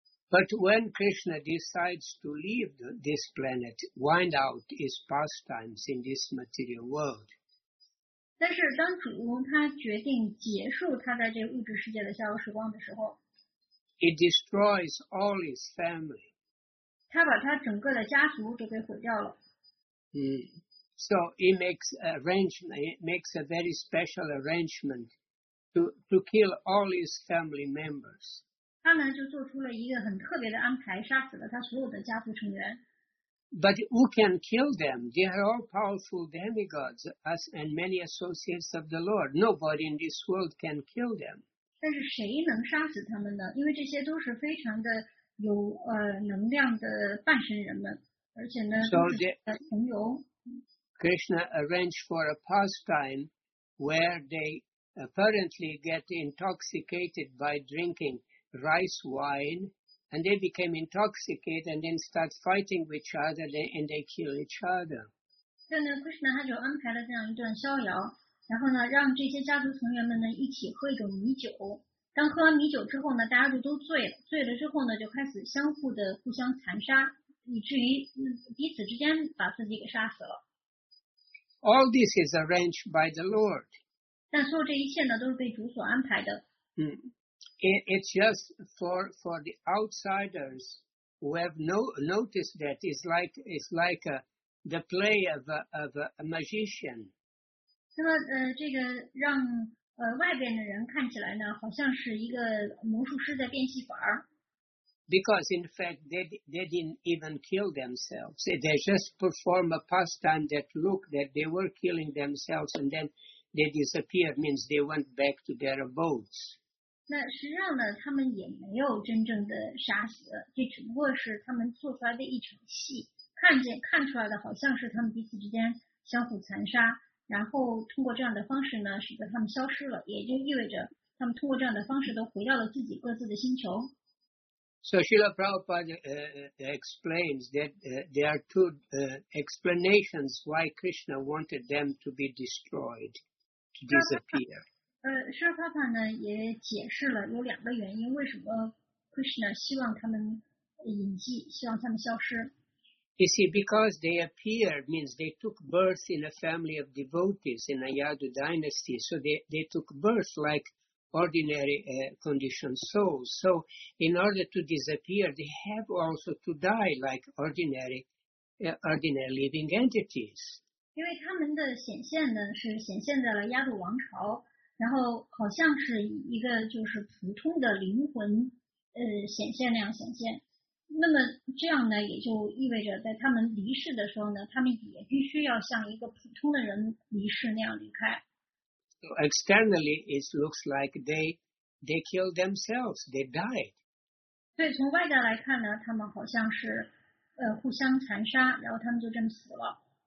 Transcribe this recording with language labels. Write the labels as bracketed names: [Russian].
[English] But when Krishna decides to leave this planet, wind out his pastimes in this material world. [Chinese] 但是当主他决定结束他在这物质世界的逍遥时光的时候 [English] ，It destroys all his family. [Chinese] 他把他整个的家族都给毁掉了。 [English] So he makes arrangement, makes a very special arrangement to kill all his family members. [Chinese] 他呢就做出了一个很特别的安排，杀死了他所有的家族成员。 [English] But who can kill them? They are all powerful demigods, us and many associates of the Lord. Nobody in this world can kill them. [Chinese] 但是谁能杀死他们呢？因为这些都是非常的有能量的半神人们，而且呢，穷游。 [English] Krishna arranged for a pastime where they apparently get intoxicated by drinking rice wine. And they became intoxicated and then start fighting with each other and they kill each other. [Chinese] 对呢 ，Krishna 他就安排了这样一段逍遥，然后呢，让这些家族成员们呢一起喝一种米酒。当喝完米酒之后呢，大家就都醉了，醉了之后呢，就开始相互的互相残杀，以至于彼此之间把自己给杀死了。 [English] All this is arranged by the Lord. [Chinese] 但所有这一切呢，都是被主所安排的。 [English] It's just for the outsiders who have no noticed that it's like the play of a magician. [Chinese] 那么这个让外边的人看起来呢，好像是一个魔术师在变戏法儿。 [English] Because in fact they didn't even kill themselves. They just perform a pastime that look that they were killing themselves and then they disappear. Means they went back to their abodes. [Chinese] 那实际上呢，他们也没有真正的杀死，这只不过是他们做出来的一场戏，看出来的好像是他们彼此之间相互残杀，然后通过这样的方式呢，使得他们消失了，也就意味着他们通过这样的方式都回到了自己各自的星球。 [English] So Srila Prabhupada explains that there are two explanations why Krishna wanted them to be destroyed, to disappear. [Chinese] 沙帕帕呢也解释了有两个原因，为什么 Krishna 希望他们隐迹，希望他们消失。 [English] You see, because they appear means they took birth in a family of devotees in a Yadu dynasty, so they took birth like ordinary conditioned souls. So in order to disappear, they have also to die like ordinary living entities. [Chinese] 因为他们的显现呢，是显现在了亚杜王朝。然后好像是一个就是普通的灵魂显现那样显现，那么这样呢也就意味着在他们离世的时候呢，他们也必须要像一个普通的人离世那样离开。 [English] So externally it looks like they killed themselves, they died. [Chinese] 对，从外在来看呢，他们好像是互相残杀，然后他们就这么死了。